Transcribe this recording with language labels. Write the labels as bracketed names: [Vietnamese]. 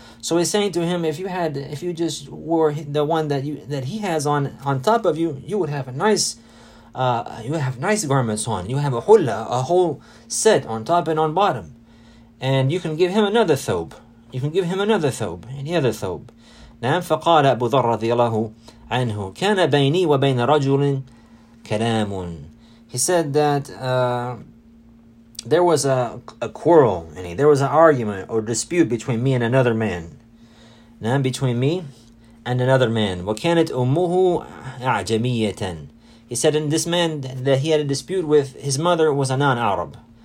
[English] So he's saying to him, if you just wore the one that he has on top of you, you would have a nice, you have nice garments on. You have a hulla, a whole set on top and on bottom, and you can give him another thobe. You can give him another thobe, any other thobe. [Arabic] نعم فقال أبو ذر رضي الله عنه كان بيني وبين رجل كلام. [English] He said that there was a quarrel, and there was an argument or dispute between me and another man. Now, between me and another man. [Arabic] وَكَانَتْ أُمُّهُ أَعْجَمِيَّةً. [English] He said, and this man that he had a dispute with, his mother was a non-Arab.